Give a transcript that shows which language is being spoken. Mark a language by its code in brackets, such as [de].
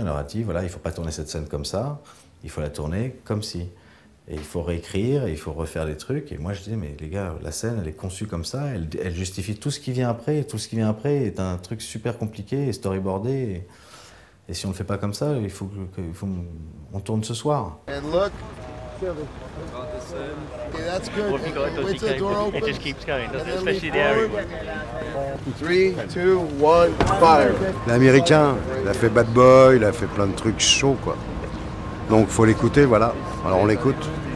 [fr] On leur a dit « Voilà, il ne faut pas tourner cette scène comme ça, il faut la tourner comme si. » Et il faut réécrire, et il faut refaire des trucs. Et moi je dis « Mais les gars, la scène, elle est conçue comme ça, elle justifie tout ce qui vient après. Tout ce qui vient après est un truc super compliqué et storyboardé. Et si on ne le fait pas comme ça, il faut qu'on tourne ce soir. » [en] And look, Yeah, that's good. Well, if you go, it, wait till the door opens. It just keeps going, doesn't it? Especially the area. 3, 2, 1, 5. [fr] L'américain, il a fait Bad Boy, il a fait plein de trucs chauds, quoi. Donc faut l'écouter, voilà. Alors on l'écoute.